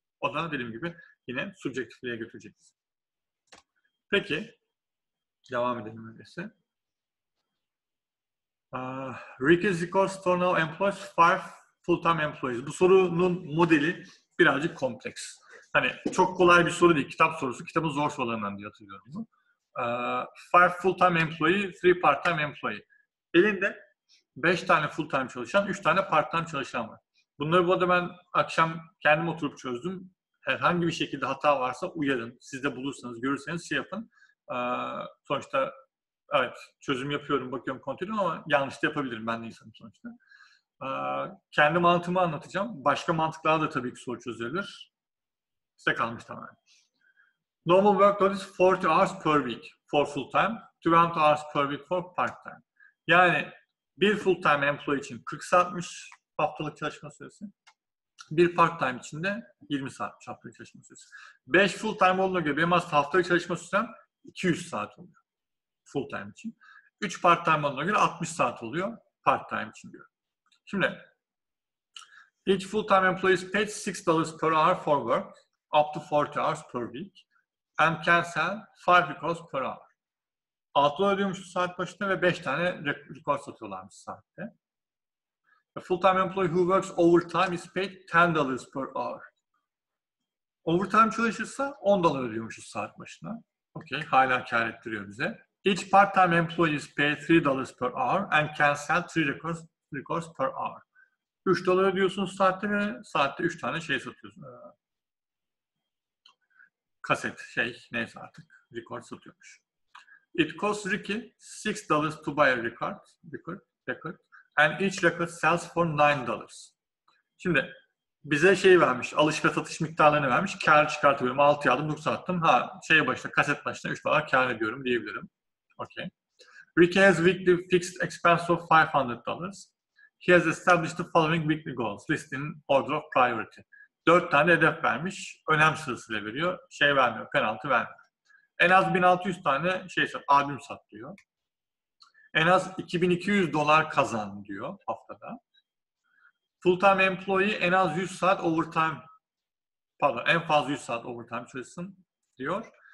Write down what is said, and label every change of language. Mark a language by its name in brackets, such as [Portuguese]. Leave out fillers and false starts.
[Turkish] O da dediğim gibi yine subjektifliğe götüreceğiz. Peki. Devam edelim öyleyse. [English] Ricky Zikos Tornow employs 5 full-time employees. [Turkish] Bu sorunun modeli birazcık kompleks. Hani çok kolay bir soru değil. Kitap sorusu. Kitabın zor sorularından diye hatırlıyorum bunu. [English] 5 full-time employee, 3 part-time employee. [Turkish] Elinde 5 tane full-time çalışan, 3 tane part-time çalışan var. Bunları bu arada ben akşam kendim oturup çözdüm. Herhangi bir şekilde hata varsa uyarın. Siz de bulursanız, görürseniz şey yapın. Sonuçta evet, çözüm yapıyorum, bakıyorum, kontrol ediyorum, ama yanlış da yapabilirim. Ben de insanım sonuçta. Kendi mantığımı anlatacağım. Başka mantıklar da tabii ki soru çözülür. Size kalmış tamamen. [English] Normal workload is 40 hours per week for full-time, 20 hours per week for part-time. [Turkish] Yani bir full-time employee için 40 saatmiş haftalık çalışma süresi. Bir part-time için de 20 saat haftalık çalışma süresi. 5 full-time olduğuna göre benim aslında haftalık çalışma süresi 200 saat oluyor full-time için. 3 part-time olduğuna göre 60 saat oluyor part-time için diyor. Şimdi [English] each full-time employee is paid $6 per hour for work up to 40 hours per week and can sell 5 requests per hour. [Turkish] $6 ödüyormuş saat başına ve 5 tane request satıyorlarmış saatte. [English] A full-time employee who works overtime is paid $10 per hour. [Turkish] Overtime çalışırsa $10 ödüyormuş saat başına. Okay, hala kar ettiriyor bize. [English] Each part-time employee is paid $3 per hour and can sell 3 requests per hour. [Turkish] $3 ödüyorsunuz saatte ve saatte 3 tane şey satıyorsunuz. Kaset, şey, neyse artık. Record satıyormuş. [English] It costs Ricky $6 to buy a record and each record sells for $9. [Turkish] Şimdi bize şey vermiş, alış ve satış miktarlarını vermiş. Kar çıkartıyorum. 6 aldım, 9 attım. Ha, şeye başla, kaset başına $3 kar ediyorum diyebilirim. Okay. [English] Ricky has weekly fixed expense of $500. He has established the following weekly goals list in order of priority. [Turkish] 4 tane hedef vermiş. Önem sırasıyla veriyor. Şey vermiyor, penaltı vermiyor. En az 1600 tane şey sat, albüm sat diyor. En az $2,200 kazan diyor haftada. Full-time employee en az 100 saat overtime, pardon, en fazla 100 saat overtime çalışsın diyor.